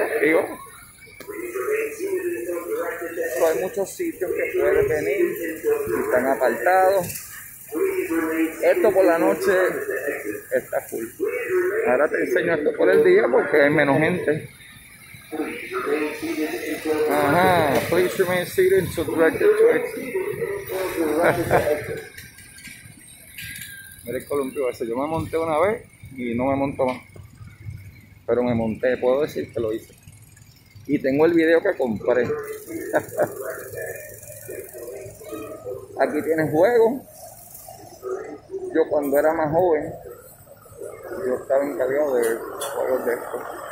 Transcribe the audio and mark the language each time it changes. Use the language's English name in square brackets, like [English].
[Spanish] Digo, so, hay muchos sitios que puedes venir y están apartados. Esto por la noche está full. Ahora te enseño esto por el día porque hay menos gente. [English] Ajá, please remain seated to direct the tracks. [Spanish] Mira el columpio ese, yo me monté una vez y no me monto más. Pero me monté, puedo decir que lo hice. Y tengo el video que compré. aquí tienes juego. Yo cuando era más joven, yo estaba encargado de juegos de esto.